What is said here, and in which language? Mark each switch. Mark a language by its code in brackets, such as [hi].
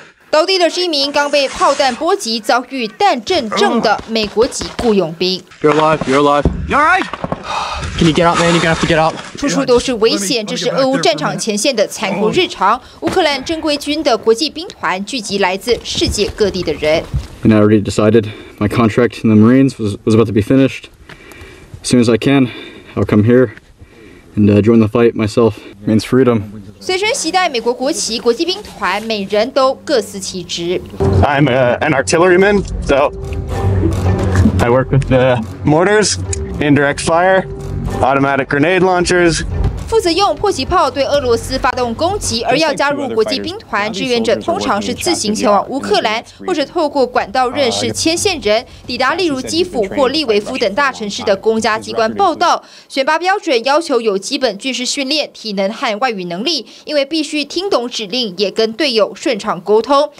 [zh] 倒地的是一名刚被炮弹波及、遭遇弹阵症的美国籍雇佣兵。 [en] You're alive. You're alive. You're alright. Can you get up, man? You're gonna have to get up. [zh] 处处都是危险，这是俄乌战场前线的残酷日常。乌克兰正规军的国际兵团聚集来自世界各地的人。 [en] And I already decided my contract in the Marines was about to be finished. As soon as I can, I'll come here and join the fight myself. Means freedom. [zh] 随身携带美国国旗，国际兵团每人都各司其职。 [en] I'm an artilleryman, so I work with the mortars, indirect fire, automatic grenade launchers, [zh] 负责用迫击炮对俄罗斯发动攻击，而要加入国际兵团，志愿者通常是自行前往乌克兰，或者透过管道认识牵线人，抵达例如基辅或利维夫等大城市的公家机关报到。选拔标准要求有基本军事训练、体能和外语能力，因为必须听懂指令，也跟队友顺畅沟通。